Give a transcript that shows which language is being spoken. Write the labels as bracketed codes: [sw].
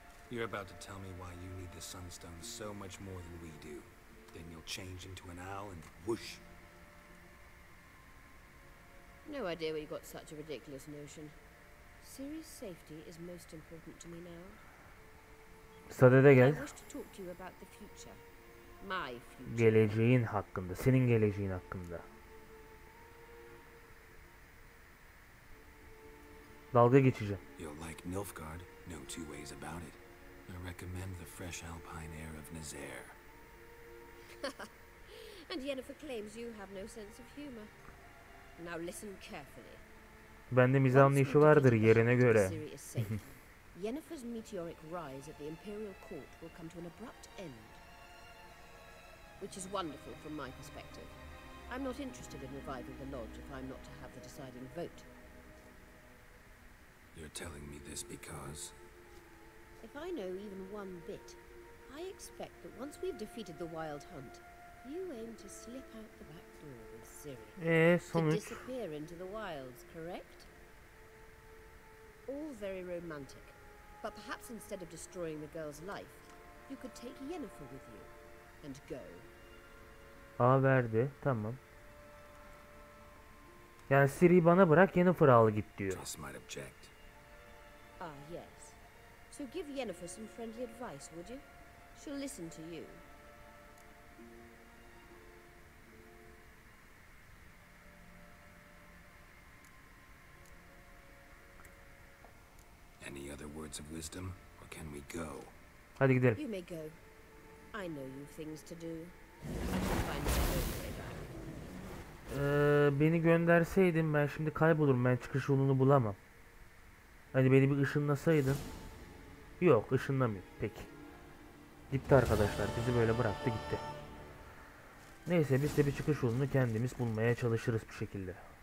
[en] You're about to tell me why you need the Sunstone so much more than we do. Then you'll change into an owl and whoosh. No idea where you got such a ridiculous notion. Serious safety is most important to me now. [tr] Sadede gel. [en] I wish to talk to you about the future. My future. [tr] Geleceğin hakkında, senin geleceğin hakkında. Dalga geçeceğim. [en] You'll like Nilfgaard, no two ways about it. I recommend the fresh alpine air of Nazaire. And Yennefer claims you have no sense of humor. Now listen carefully. [tr] Bende mizah anlayışı vardır yerine göre. [en] Yennefer's meteoric rise at the Imperial Court will come to an abrupt end. Which is wonderful from my perspective. I'm not interested in reviving the Lodge if I'm not to have the deciding vote. You're telling me this because... If I know even one bit, I expect that once we've defeated the Wild Hunt, you aim to slip out the back door with Ciri. [tr] Sonuç. [en] To disappear into the wilds, correct? All very romantic, but perhaps instead of destroying the girl's life, you could take Yennefer with you and go. [tr] A verdi, tamam. Yani Ciri'yi bana bırak, Yennefer'ı al git diyor. [en] Just might object. Ah, yes. So give Yennefer some friendly advice, would you? She'll listen to you. Any other words of wisdom, or can we go? [tr] Hadi gidelim. [en] You may go. I know you've things to do. Find your own way back. [tr] Beni gönderseydin ben şimdi kaybolurum. Ben çıkış yolunu bulamam. Hani beni bir ışınlasaydın. Yok, ışınlamıyor. Peki. Gitti arkadaşlar. Bizi böyle bıraktı gitti. Neyse, biz de bir çıkış yolunu kendimiz bulmaya çalışırız bir şekilde.